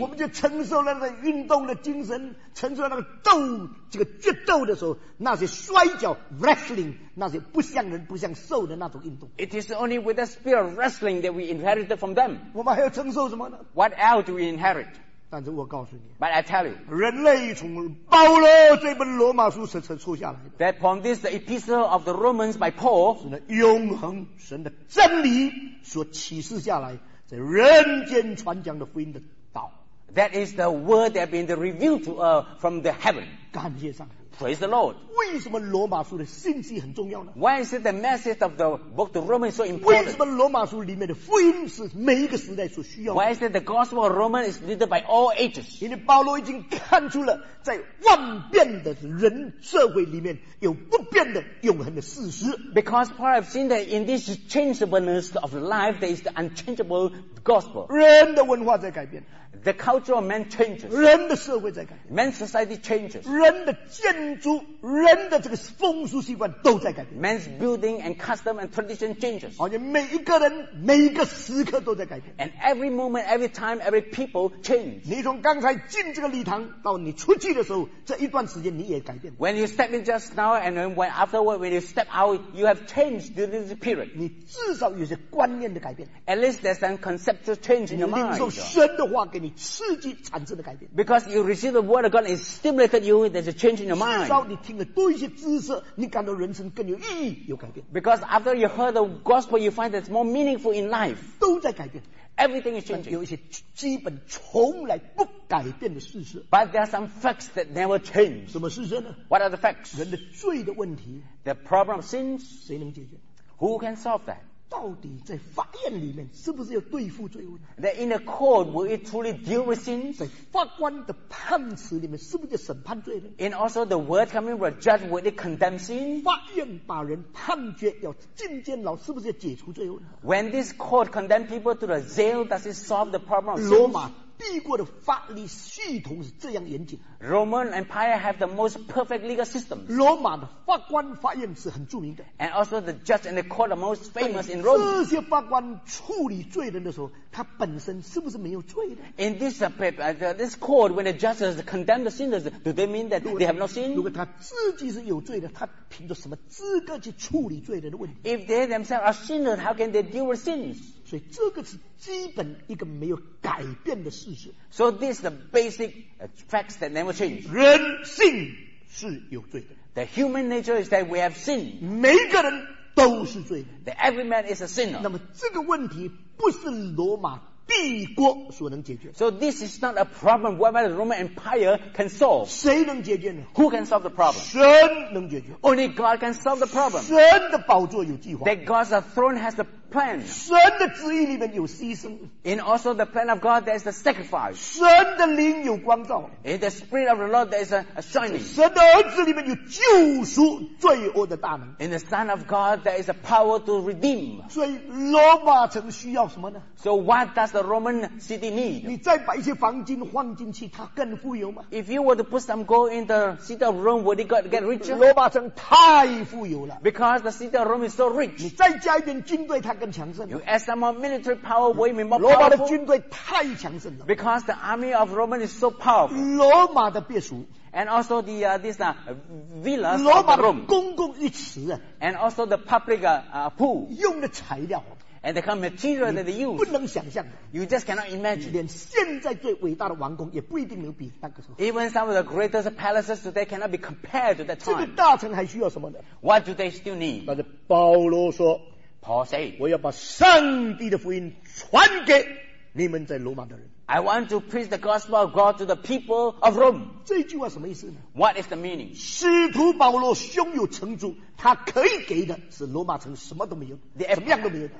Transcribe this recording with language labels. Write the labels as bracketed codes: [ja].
[zh] 我们就承受了那个运动的精神承受了那个斗这个决斗的时候那些摔跤 wrestling 那些不像人不像兽的那种运动 [en] it is only with the spirit of wrestling that we inherited from them [zh] 我们还要承受什么呢 [en] what else do we inherit [zh] 但是我告诉你 [en] But I tell you, [zh] 人类从保罗这本罗马书才出下来 [en] That from this epistle of the Romans by Paul [zh] 是那永恒神的真理所启示下来在人间传讲的福音的道 [en] That is the word that has been revealed to us from the heaven [zh] 感谢上帝 [en] Praise the Lord [zh] 为什么罗马书的信息很重要呢 [en] Why is it the message of the book of Romans so important [zh] 为什么罗马书里面的福音是每一个时代所需要的 [en] Why is it the gospel of Romans is needed by all ages [zh] 因为保罗已经看出了在万变的人社会里面有不变的永恒的事实 [en] Because Paul has seen that in this changeableness of life there is the unchangeable gospel [zh] 人的文化在改变 [en] The culture of man changes [zh] 人的社会在改变 [en] Man's society changes [zh] 人的建筑人的这个风俗习惯都在改变 [en] Man's building and custom and tradition changes [zh] 而且每一个人每一个时刻都在改变 [en] And every moment, every time, every people change [zh] 你从刚才进这个礼堂到你出去的时候这一段时间你也改变 [en] When you step in just now and when afterward when you step out you have changed during this period [zh] 你至少有些观念的改变 [en] At least there's some conceptual change in your mind [zh] 你领受神的话给你刺激产生的改变 [en] Because you receive the word of God it stimulated you there's a change in your mind [zh] 至少你听了多一些知识你感到人生更有意义有改变 [en] Because after you heard the gospel you find that it's more meaningful in life [zh] 都在改变 [en] Everything is changing [zh] 有一些基本从来不改变的事实 [en] But there are some facts that never change [zh] 什么事实呢 [en] What are the facts [zh] 人的罪的问题 [en] The problem of sins [zh] 谁能解决 [en] Who can solve that [zh] 到底在法院里面是不是要对付罪问 [en] That in the court will it truly deal with sin [zh] 在法官的判词里面是不是要审判罪呢 [en] And also the word coming from a judge will it condemn sin [zh] 法院把人判决要进监牢是不是要解除罪问 [en] When this court condemn people to the jail does it solve the problem of sin [zh] 罗马帝国的法律系统是这样严谨。 [en] Roman Empire have the most perfect legal systems. [zh] 罗马的法官法院是很著名的。 [en] And also the judge and the court are most famous in Rome. [zh] 这些法官处理罪人的时候，他本身是不是没有罪的 [en] ？In this this court, when the judges condemn the sinners, do they mean that they have no sin? [zh] 如果他自己是有罪的，他凭着什么资格去处理罪人的问题 [en] ？If they themselves are sinners, how can they deal with sins? [zh] 所以这个是基本一个没有改变的事实。 [en] So this is the basic facts that never change. [zh] 人性是有罪的。 [en] The human nature is that we have sin. [zh] 每个人都是罪的。 [en] That every man is a sinner. [zh] 那么这个问题不是罗马帝国所能解决。 [en] So this is not a problem whereby the Roman Empire can solve. [zh] 谁能解决呢 [en] ？Who can solve the problem？ [zh] 神能解决。 [en] Only God can solve the problem. [zh] 神的宝座有计划。 [en] That God's throne has a plan. [zh] 神的旨意里面有牺牲。 [en] In also the plan of God, there's the sacrifice. [zh] 神的灵有光照。 [en] In the spirit of the Lord, there's a shining. [zh] 神的儿子里面有救赎罪恶的大能。 [en] In the Son of God, there is a power to redeem. [zh] 所以罗马城需要什么呢 [en] ？So what does the Roman city need? [zh] 你再把一些黄金换进去，它更富有吗 [en] ？If you were to put some gold in the city of Rome, would it get richer? [zh] 罗马城太富有了。 [en] Because the city of Rome is so rich. [zh] 你再加一点军队，它更强盛。 [en] You add some more military power, would it be more powerful? [zh] 罗马的军队太强盛了。 [en] Because the army of Rome is so powerful. [zh] 罗马的别墅。 [en] And also the villas of [zh] Rome. 罗马的公共浴池。 [en] And also the public pool. [zh] 用的材料。 [en] And the kind of material that they use. [zh] 不能想象的。 [en] You just cannot imagine. [zh] 连现在最伟大的王宫也不一定能比那个时候。 [en] Even some of the greatest palaces today cannot be compared to that time. [zh] 这个大城还需要什么呢 [en] ？What do they still need? [zh] 但是保罗说。 [en] Paul said, [zh] 我要把上帝的福音传给你们在罗马的人。 [en] I want to preach the gospel of God to the people of Rome. [zh] 这句话什么意思呢 [en] ？What is the meaning? [zh] 使徒保罗胸有成竹，他可以给的是罗马城什么都没有，什么样都没有的。